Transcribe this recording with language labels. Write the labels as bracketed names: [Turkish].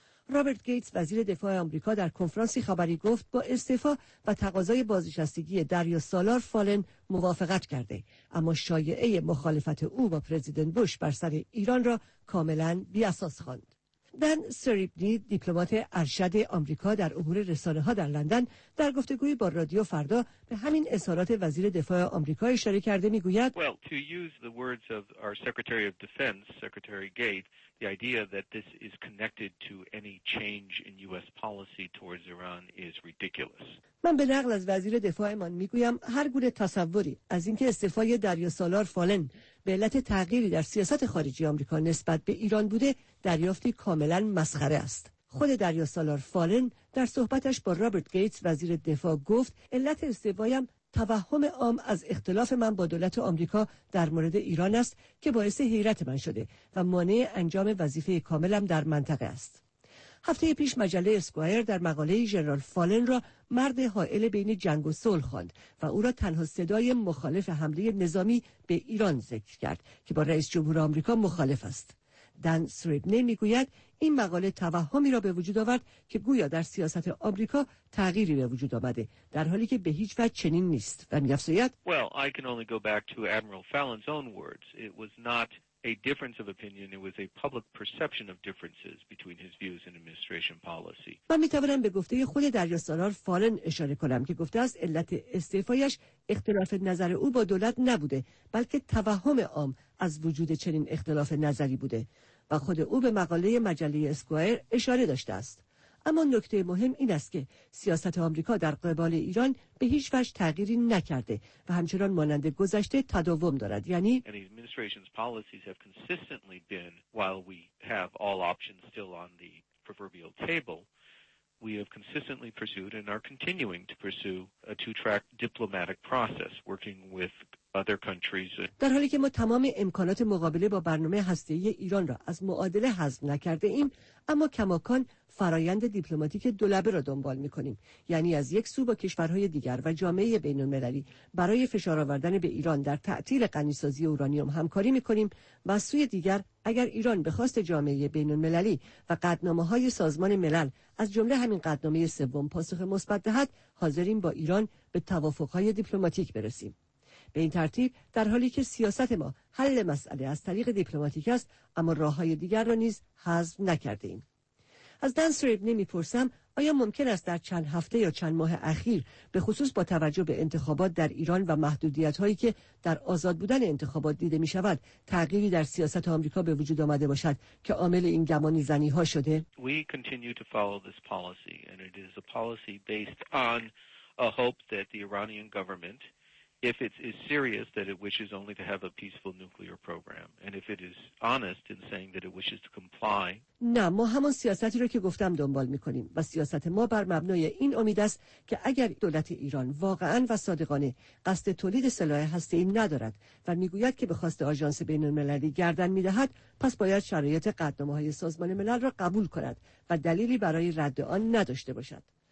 [Persian] رابرت گیتس، وزیر دفاع آمریکا، در کنفرانسی خبری گفت با استعفا و تقاضای بازنشستگی دریاسالار فالن موافقت کرده، اما شایعه مخالفت او با پرزیدنت بوش بر سر ایران را کاملا بی اساس خواند. دن سریبنی، دیپلمات ارشد آمریکا در امور رسانه‌ها در لندن، در گفتگوی با رادیو فردا به همین اظهارات وزیر دفاع آمریکا اشاره کرده، میگوید: [English] Well, to use the words of our Secretary of Defense, Secretary Gates, the idea that this is connected to any change in US policy towards Iran is ridiculous. [Persian] من به نقل از وزیر دفاعمان میگویم هر گونه تصوری از اینکه استعفای دریاسالار فالن به علت تغییری در سیاست خارجی آمریکا نسبت به ایران بوده دریافتی کاملا مسخره است. خود دریاسالار فالن در صحبتش با رابرت گیتس، وزیر دفاع، گفت علت استعفایم توهم عام از اختلاف من با دولت آمریکا در مورد ایران است که باعث حیرت من شده و مانع انجام وظیفه کاملم در منطقه است. هفته پیش مجله اسکوایر در مقاله جنرال فالن را مرد حائل بین جنگ و صلح خواند و او را تنها صدای مخالف حمله نظامی به ایران ذکر کرد که با رئیس جمهور آمریکا مخالف است. دن سریبنی میگوید این مقاله توهمی را به وجود آورد که گویا در سیاست آمریکا تغییری به وجود آمده، در حالی که به هیچ وجه چنین نیست. و می‌افزاید: [English] Well, I can only go back to Admiral Fallon's own words. It was not a difference of opinion, it was a public perception of differences between his views and administration policy. [Persian] من می‌توانم به گفته خود دریاسالار فالن اشاره کنم که گفته است علت استعفایش اختلاف نظر او با دولت نبوده، بلکه توهم عام از وجود چنین اختلاف نظری بوده و خود او به مقاله مجله اسکوایر اشاره داشته است. اما نکته مهم این است که سیاست آمریکا در قبال ایران به هیچ وجه تغییری نکرده و همچنان مانند گذشته تداوم دارد. یعنی [English] administration's policies have consistently been, while we have all options still on the proverbial table, we have consistently pursued and are continuing to pursue a two-track diplomatic process working with other countries. [Persian] در حالی که ما تمام امکانات مقابله با برنامه هسته‌ای ایران را از معادله حذف نکرده ایم، اما کماکان فرایند دیپلماتیک دولبه را دنبال می‌کنیم، یعنی از یک سو با کشورهای دیگر و جامعه بین‌المللی برای فشار آوردن به ایران در تعطیل غنی‌سازی اورانیوم همکاری می‌کنیم و از سوی دیگر اگر ایران به خواست جامعه بین‌المللی و قطعنامه‌های سازمان ملل از جمله همین قطعنامه سوم پاسخ مثبت دهد، حاضریم با ایران به توافق‌های دیپلماتیک برسیم. به این ترتیب در حالی که سیاست ما حل مسئله از طریق دیپلماتیک است، اما راه‌های دیگر را نیز حذف نکرده ایم. از دن سریبنی می‌پرسم آیا ممکن است در چند هفته یا چند ماه اخیر، به خصوص با توجه به انتخابات در ایران و محدودیت‌هایی که در آزاد بودن انتخابات دیده می‌شود، تغییری در سیاست آمریکا به وجود آمده باشد که عامل این گمانی زنی‌ها شده؟ [English] We continue to follow this policy and it is a policy based on a hope that the Iranian government if it is serious that it wishes only to have a peaceful nuclear program, and if it is honest in saying that it wishes to comply. [Persian] نه، ما همان سیاستی رو که گفتم دنبال میکنیم و سیاست ما بر مبنای این امید است که اگر دولت ایران واقعا و صادقانه قصد تولید سلاح هسته‌ای ندارد و میگوید که به خواست آژانس بین المللی گردن میدهد، پس باید شرایط قطعنامه های سازمان ملل را قبول کند و دلیلی برای رد آن نداشته باشد.